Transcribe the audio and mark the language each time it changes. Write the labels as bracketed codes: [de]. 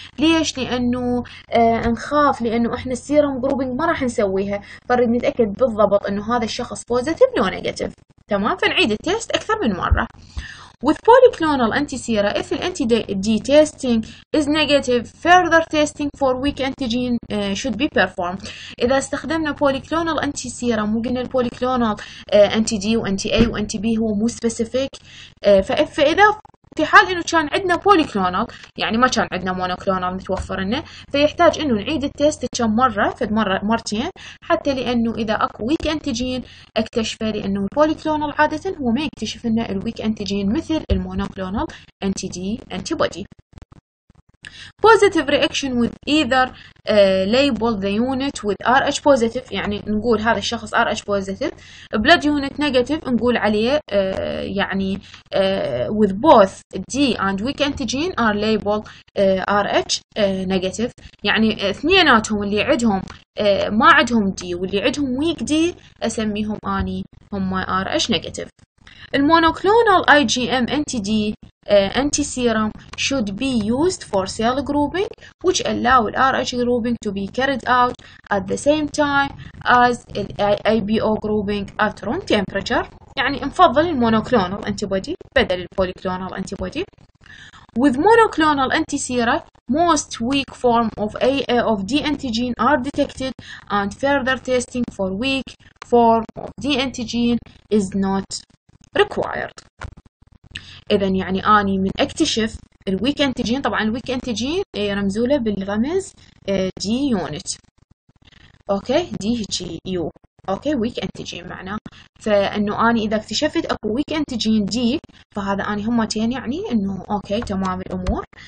[ar] ليش؟ لانه نخاف، لانه احنا السيروم جروبينج ما راح نسويها، فنريد نتاكد بالضبط انه هذا الشخص بوزيتيف لو نيجاتيف، تمام؟ فنعيد التيست اكثر من مره. [en] With polyclonal antisera, if the antibody testing is negative, further testing for weak antigen should be performed. [ar] إذا استخدمنا polyclonal antisera، مو قلنا polyclonal anti-D و anti-A و anti-B هو مو specific. فإذا في حال إنه كان عندنا polyclonal، يعني ما كان عندنا monoclonal متوفر لنا، فيحتاج إنه نعيد التست كم مرة، فد مرة مرتين، حتى لأنه إذا أكو weak antigen اكتشفه، لأنه polyclonal عادة هو ما يكتشف لنا ال weak antigen مثل ال monoclonal anti-D antibody. [en] Positive reaction with either label the unit with Rh positive، [ar] يعني نقول هذا الشخص [en] Rh positive. Blood unit negative [ar] نقول عليه يعني [en] with both D and weak antigen are label Rh negative، [ar] يعني اثنيناتهم اللي عندهم ما عندهم D واللي عندهم weak D أسميهم أني هم Rh negative. [en] المونوكلونال I G M anti D antiserum should be used for cell grouping which allow the Rh grouping to be carried out at the same time as the IBO grouping at room temperature. [ar] يعني نفضل المونوكلونال انتي بودي بدل البوليكلونال انتي بودي. [en] With monoclonal antisera, most weak form of D antigen are detected and further testing for weak form of D antigen is not required. [ar] إذا يعني أني من أكتشف الويك أنتيجين، طبعا الويك أنتيجين رمزوا له بالرمز دي يونت، أوكي دي هيجي يو، أوكي ويك أنتيجين معناه، فإنه أني إذا اكتشفت أكو ويك أنتيجين دي، فهذا أني همتين يعني إنه أوكي تمام الأمور،